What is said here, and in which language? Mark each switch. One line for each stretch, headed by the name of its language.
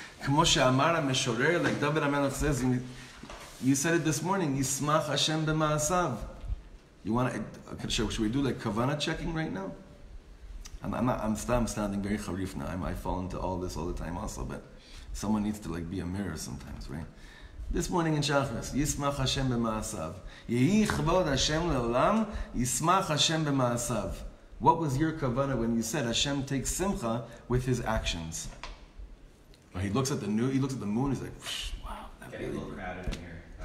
Hebrew: כמו שאמר המשורר,
English: like David HaMelech says, you said it this morning,
Hebrew: ישמח השם במעשיו.
English: You want to, should we do like kavana checking right now? I'm standing very harif now. I fall into all this all the time also, but someone needs to like be a mirror sometimes, right? This morning in Shachris,
Hebrew: ישמח השם במעשיו. יהי כבוד השם לעולם, ישמח השם במעשיו.
English: What was your kavana when you said Hashem takes simcha with his actions? He looks at the new. He looks at the moon. He's like, "Wow, getting a little crowded in here.